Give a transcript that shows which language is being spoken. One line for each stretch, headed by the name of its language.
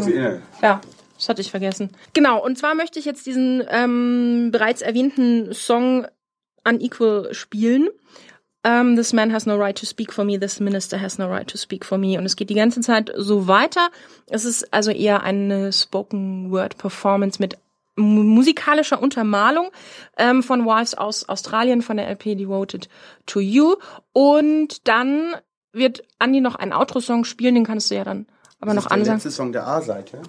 German: Ich brauche die Innenhülle. Ja. Das hatte ich vergessen. Genau, und zwar möchte ich jetzt diesen bereits erwähnten Song Unequal spielen.
English: This man has no right to speak for me, this minister has no right to speak for me.
German: Und es geht die ganze Zeit so weiter. Es ist also eher eine Spoken Word Performance mit musikalischer Untermalung von Wives aus Australien, von der LP Devoted to You. Und dann wird Andi noch einen Outro-Song spielen, den kannst du ja dann aber noch ansagen. Das ist der letzte Song der A-Seite.